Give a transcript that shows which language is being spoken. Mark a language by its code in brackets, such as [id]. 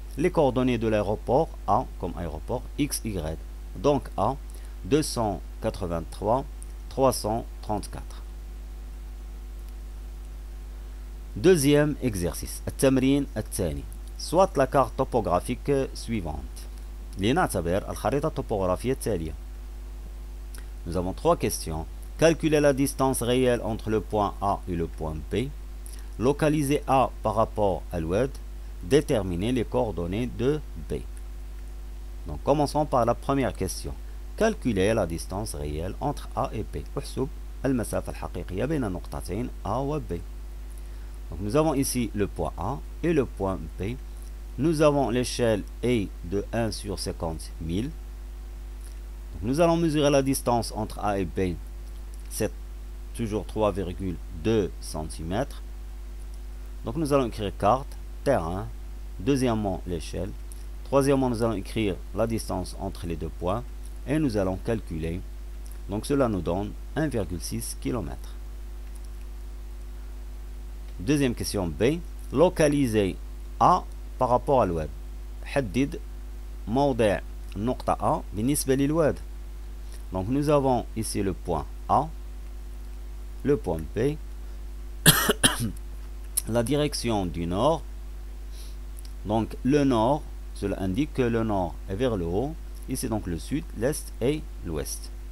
[fr] Les coordonnées de l'aéroport A, comme aéroport, X, Y. Donc A, 283, 334. Deuxième exercice. [ar] التمرين الثاني. [fr] Soit la carte topographique suivante. [ar] لنعتبر الخريطة الطبوغرافية التالية. [fr] Nous avons trois questions. Calculer la distance réelle entre le point A et le point B. Localiser A par rapport à l'ouest. Déterminer les coordonnées de B. Donc commençons par la première question. Calculer la distance réelle entre A et B. [ar] احسب المسافة الحقيقية بين النقطتين A و B. [fr] Donc nous avons ici le point A et le point B. Nous avons l'échelle A de 1 sur 50 000. Donc nous allons mesurer la distance entre A et B. C'est toujours 3,2 cm. Donc nous allons écrire carte, terrain. Deuxièmement, l'échelle. Troisièmement, nous allons écrire la distance entre les deux points. Et nous allons calculer. Donc cela nous donne 1,6 km. Deuxième question B. Localiser A par rapport à l'ouest. [ar] حدد موضع نقطة A بالنسبة للواد. [fr] Donc nous avons ici le point A, le point B, la direction du nord. Donc le nord Cela indique que le nord est vers le haut, ici donc le sud, l'est et l'ouest.